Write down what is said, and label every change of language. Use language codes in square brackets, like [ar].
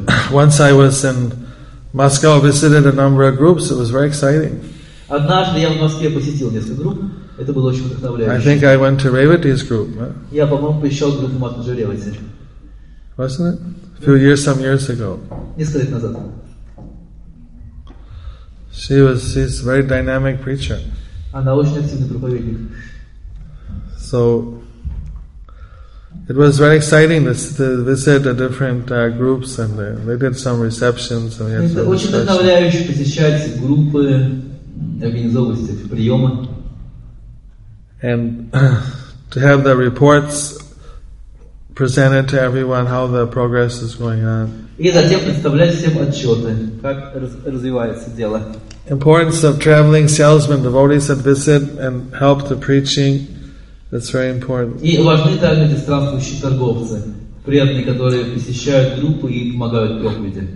[en] Once I was in Moscow, visited a number of groups. It was very exciting. [ru] Однажды я в Москве посетил несколько групп. Это было очень вдохновляюще. [en] I think I went to Revati's group. [ru] Я, по-моему, посещал группу Матаджи Ревати. [en] Wasn't it? A few years, some years ago. [ru] Несколько лет назад. [en] She's a very dynamic preacher. [ru] Она очень активный проповедник. [en] So it was very exciting to visit the different groups, and they did some receptions. [ru] Очень вдохновляюще посещать группы, организовывать эти приемы. [en] And to have the reports presented to everyone how the progress is going on. [ru] И затем представлять всем отчеты, как развивается дело. [en] Importance of traveling salesmen, devotees that visit and help the preaching. That's very important. [ru] И важны также эти странствующие торговцы, преданные, которые посещают группы и помогают проповеди.